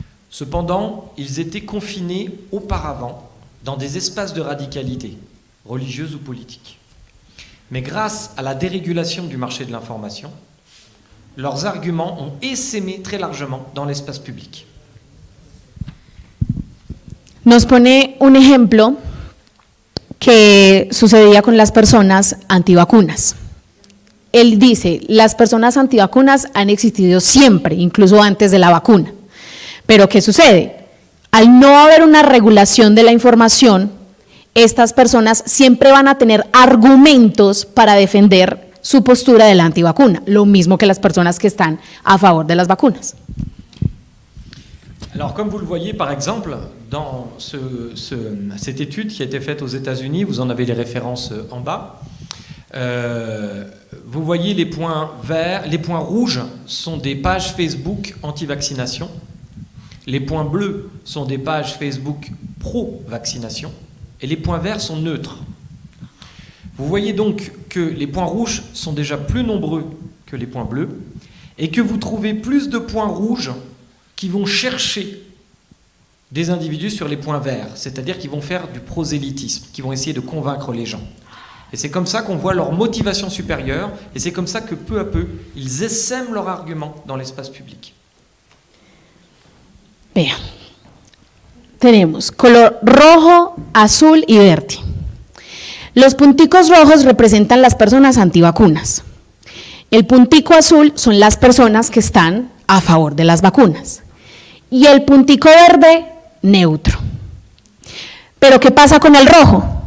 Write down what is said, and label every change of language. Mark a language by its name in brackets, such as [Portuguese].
[French] Cependant, ils étaient confinés auparavant dans des espaces de radicalité, religieuse ou politique. Mais grâce à la dérégulation du marché de l'information, leurs arguments ont essaimé très largement dans l'espace public. [Spanish] Nos pone un ejemplo que sucedía con las personas antivacunas. Él dice, las personas antivacunas han existido siempre, incluso antes de la vacuna. Pero ¿qué sucede? Al no haber una regulación de la información, estas personas siempre van a tener argumentos para defender su postura de la antivacuna, lo mismo que las personas que están a favor de las vacunas. [French] Alors, comme vous le voyez, par exemple, dans cette étude qui a été faite aux États-Unis, vous en avez les références en bas, vous voyez les points verts, les points rouges sont des pages Facebook anti-vaccination, les points bleus sont des pages Facebook pro-vaccination, et les points verts sont neutres. Vous voyez donc que les points rouges sont déjà plus nombreux que les points bleus, et que vous trouvez plus de points rouges qui vont chercher des individus sur les points verts, c'est-à-dire qui vont faire du prosélytisme, qui vont essayer de convaincre les gens. Et c'est comme ça qu'on voit leur motivation supérieure, et c'est comme ça que peu à peu, ils essaiment leur argument dans l'espace public. Bien. [Spanish] Tenemos color rojo, azul y verde. Los punticos rojos representan las personas antivacunas. El puntico azul son las personas que están a favor de las vacunas. Y el puntico verde, neutro. Pero ¿qué pasa con el rojo?